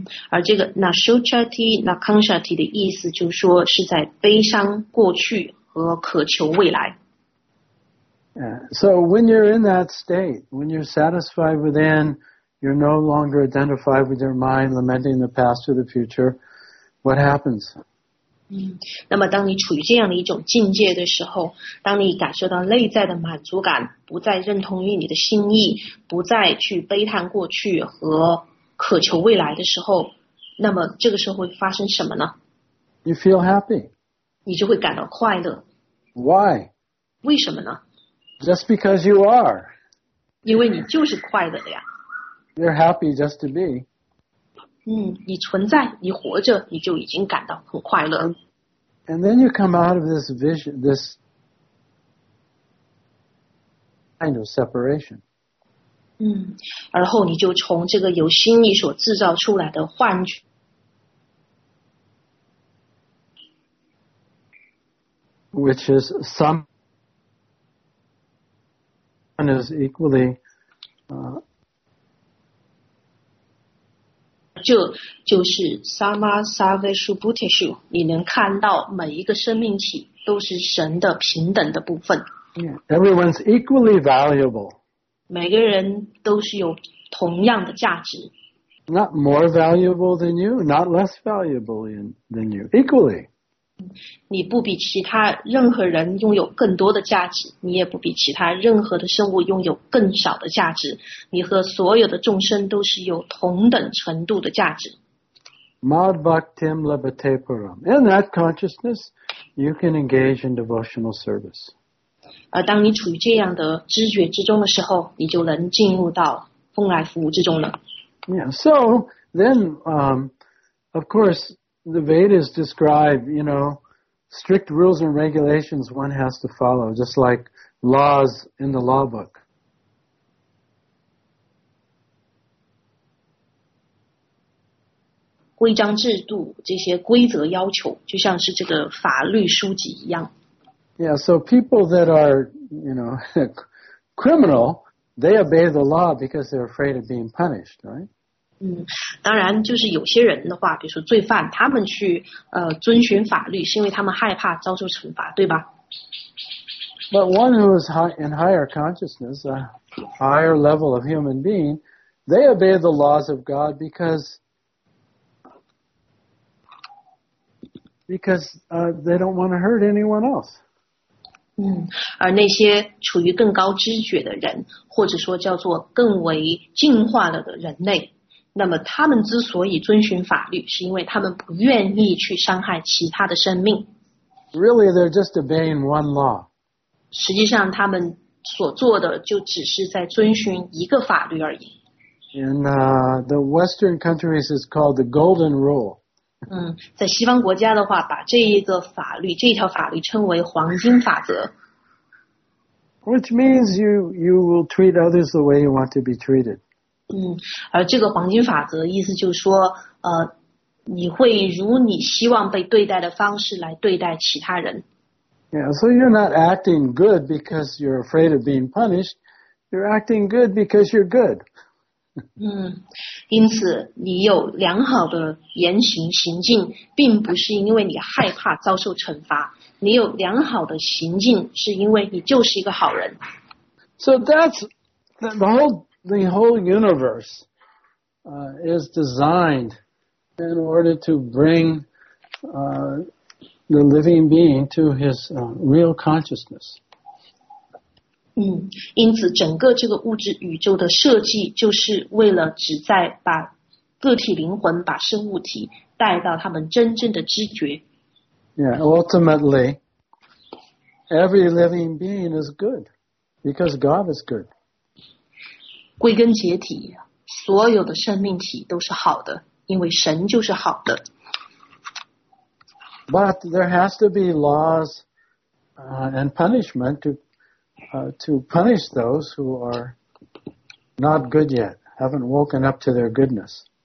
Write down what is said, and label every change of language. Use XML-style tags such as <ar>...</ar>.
<zh>而这个</zh> <sa>Nashochati Nakanshati</sa> <zh>的意思就是说是在悲伤过去和渴求未来。</zh> <en>So when you're in that state, when you're satisfied within, you're no longer identified with your mind lamenting the past or the future, what happens?</en> <zh>那么当你处于这样的一种境界的时候，当你感受到内在的满足感，不再认同于你的心意，不再去悲叹过去和渴求未来的时候，那么这个时候会发生什么呢？</zh> <en>You feel happy.</en> <zh>你就会感到快乐。</zh> <en>Why?</en> <zh>为什么呢？</zh> <en>Just because you are.</en> <zh>因为你就是快乐的呀。</zh> <en>You're happy just to be.</en> <zh>你存在，你活着，你就已经感到很快乐。</zh> <en>And then you come out of this vision, this kind of separation.</en> <zh>而后你就从这个由心意所制造出来的幻觉</zh> <en>，which is someone is equally,</en> <zh>这就是</zh> <sa>Samasaveshu Bhuteshu，</sa> <zh>你能看到每一个生命体都是神的平等的部分。</zh> <en>Yeah, everyone's equally valuable.</en> <zh>每个人都是有同样的价值。</zh> <en>Not more valuable than you, not less valuable than you, equally.</en> <zh>你不比其他任何人拥有更多的价值，你也不比其他任何的生物拥有更少的价值。你和所有的众生都是有同等程度的价值。</zh> <sa>Madbhaktim Labhate Param.</sa> <en>In that consciousness, you can engage in devotional service.</en> <zh>而当你处于这样的知觉之中的时候，你就能进入到奉来服务之中了。</zh> <en>Yeah, so then, of course, the Vedas describe, you know, strict rules and regulations one has to follow, just like laws in the law book.</en> <zh>规章制度，这些规则要求，就像是这个法律书籍一样。</zh> <en>Yeah, so people that are, you know, criminal, they obey the law because they're afraid of being punished, right?</en> <zh>当然就是有些人的话，比如说罪犯，他们去遵循法律，是因为他们害怕遭受惩罚，对吧？</zh> <en>But one who is in higher consciousness, a higher level of human being, they obey the laws of God because they don't want to hurt anyone else.</en> <zh>而那些处于更高知觉的人，或者说叫做更为进化了的人类，那么他们之所以遵循法律，是因为他们不愿意去伤害其他的生命。</zh> <en>Really, they're just obeying one law.</en> <zh>实际上他们所做的就只是在遵循一个法律而已。</zh> <en>In the Western countries, it's called the Golden Rule.</en> <zh>在西方国家的话，把这一个法律，这一条法律称为黄金法则。</zh> <en>Which means you will treat others the way you want to be treated.</en> <zh>而这个黄金法则意思就是说，你会如你希望被对待的方式来对待其他人。</zh> <en>Yeah, so you're not acting good because you're afraid of being punished. You're acting good because you're good.</en> <zh>因此你有良好的言行行径，并不是因为你害怕遭受惩罚，你有良好的行径是因为你就是一个好人。</zh> <en>So that's the whole universe is designed in order to bring the living being to his real consciousness.</en> <zh>因此整个这个物质宇宙的设计就是为了旨在把个体灵魂把生物体带到他们真正的知觉。</zh> <en>Yeah, ultimately, every living being is good because God is good.</en> <zh>归根结底，所有的生命体都是好的，因为神就是好的。</zh> <en>But there has to be laws and punishment to punish those who are not good yet, haven't woken up to their goodness.</en>